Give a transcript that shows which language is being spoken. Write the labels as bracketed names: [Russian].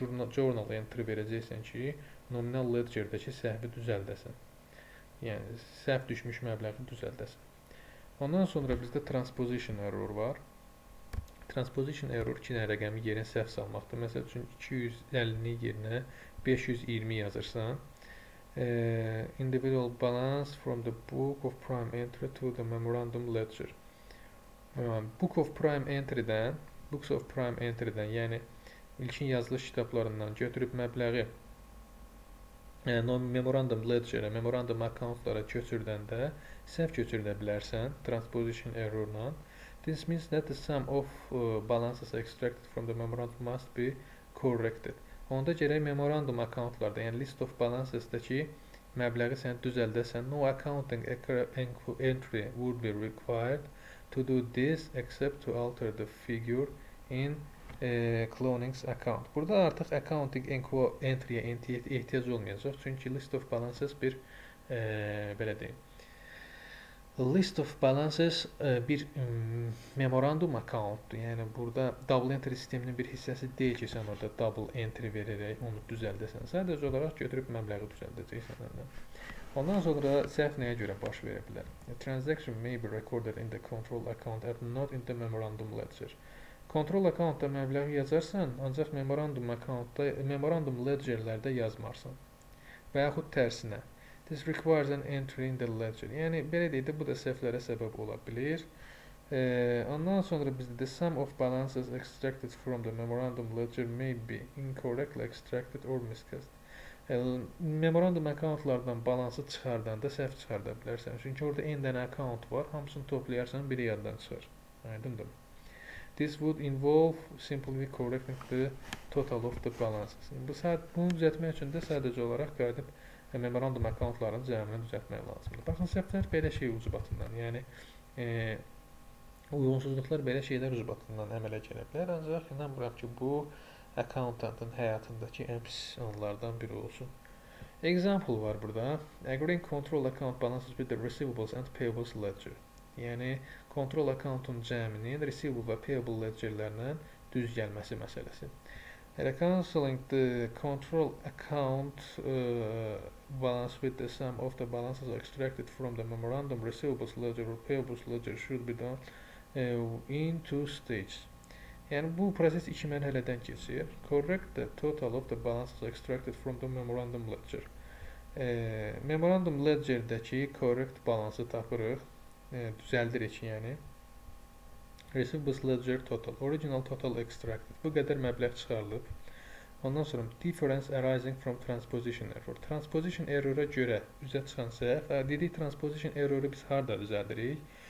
[Azerbaijani] Journal entry verəcəksən ki, nominal ledger-dəki səhvi düzəldəsən. Yəni, səhv düşmüş məbləği düzəldəsən. Ondan sonra bizdə transposition error var. Transposition error iki dənə rəqəmi yerinə səhv salmaqdır. Məsəl üçün 250-ni yerinə 520 yazırsan. [English] Individual balance from the book of prime entry to the memorandum ledger. [Azerbaijani] Book of prime entry-dən, books of prime entry-dən, yəni ilkin yazılış kitablarından götürüb məbləği memorandum ledger, memorandum accountlara köçürdəndə səhv köçürdə bilərsən transposition error-la. [English] This means that the sum of balances extracted from the memorandum must be corrected. [Azerbaijani] Onda gerək memorandum accountlarda, yəni list of balances-dəki məbləği sən düzəldəsən. [English] No accounting entry would be required to do this except to alter the figure in cloning's account. [Azerbaijani] Burada artıq accounting entry-yə ehtiyac olmayacaq, çünki list of balances bir belə deyim. List of balances bir memorandum accountdur. Yəni burada double entry sisteminin bir hissəsi deyil ki, sən orada double entry verərək onu düzəldəsən. Sadəcə olaraq götürüb məbləği düzəldəcəksən. Ondan sonra səhv nəyə görə baş verə bilər? [English] A transaction may be recorded in the control account and not in the memorandum ledger. [Azerbaijani] Control accountda məbləği yazarsan, ancaq memorandum accountda, memorandum ledgerlərdə yazmarsan. Və yaxud tərsinə. [English] This requires an entry in the ledger. [Azerbaijani] Yəni, belə deyildi, bu da səhvlərə səbəb ola bilir. Ondan sonra bizdə [English] the sum of balances extracted from the memorandum ledger may be incorrectly extracted or miscast. [Azerbaijani] Memorandum accountlardan balansı çıxardan da səhv çıxarda bilərsən. Çünki orada n dənə account var, hamısını toplayarsan, biri yaddan çıxar. Aydındır. [English] This would involve simply correcting the total of the balances. [Azerbaijani] Bunu düzəltmək üçün də sadəcə olaraq qayıdıb memorandum accountların cəmini düzəltmək lazımdır. Baxın, səhvlər belə şey ucubatından, yəni uyğunsuzluqlar belə şeylər ucubatından əmələ gələ bilər. Ancaq inanmıram ki, bu accountantın həyatındakı ən pis anlardan biri olsun. Example var burada. [English] Agreeing control account balances with the receivables and payables ledger. [Azerbaijani] Yəni, control accountun cəminin receivable və payable ledgerlərindən düz gəlməsi məsələsi. [English] Reconciling the control account balance with the sum of the balances extracted from the memorandum receivables ledger or payables ledger should be done in two stages. [Azerbaijani] Yəni, bu proses iki mərhələdən keçir. [English] Correct the total of the balances extracted from the memorandum ledger. [Azerbaijani] Memorandum ledgerdəki correct balansı tapırıq. Düzəldirik, yəni. [English] Receivables ledger total. Original total extracted. [Azerbaijani] Bu qədər məbləğ çıxarılıb. Ondan sonra [English] difference arising from transposition error. [Azerbaijani] Transposition error-a görə üzə çıxan səhv. Dedik, transposition error-ı biz harada düzəldirik?